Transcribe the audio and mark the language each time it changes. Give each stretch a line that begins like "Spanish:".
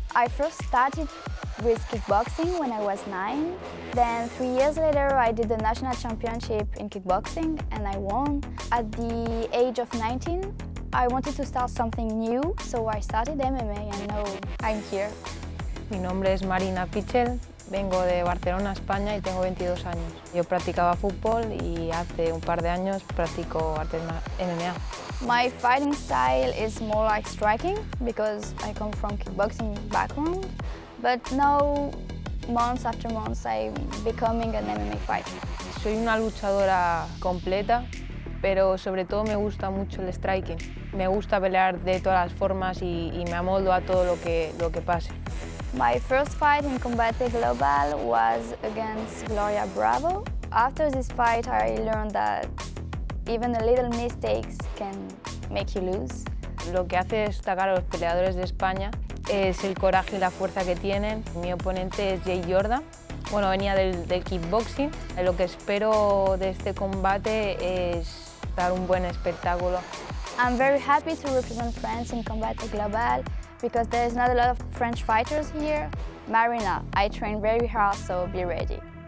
English: I first started with kickboxing when I was 9. Then 3 years later, I did the national championship in kickboxing and I won. At the age of 19, I wanted to start something new, so I started MMA and now I'm here.
Spanish: Mi nombre es Marina Pichel. Vengo de Barcelona, España y tengo 22 años. Yo practicaba fútbol y hace un par de años practico artes MMA.
English: My fighting style is more like striking because I come from kickboxing background. But now, months after months, I'm becoming an MMA fighter.
Spanish: Soy una luchadora completa, pero sobre todo me gusta mucho el striking. Me gusta pelear de todas las formas y me amoldo a todo lo que pase.
English: My first fight in Combate Global was against Gloria Bravo. After this fight, I learned that even a little mistakes can make you lose.
Spanish: Lo que hace destacar a los peleadores de España es el coraje y la fuerza que tienen. Mi oponente es Jay Jordan. Bueno, venía del kickboxing. Lo que espero de este combate es dar un buen espectáculo.
English: I'm very happy to represent France in Combate Global because there's not a lot of French fighters here. Marina, I train very hard, so be ready.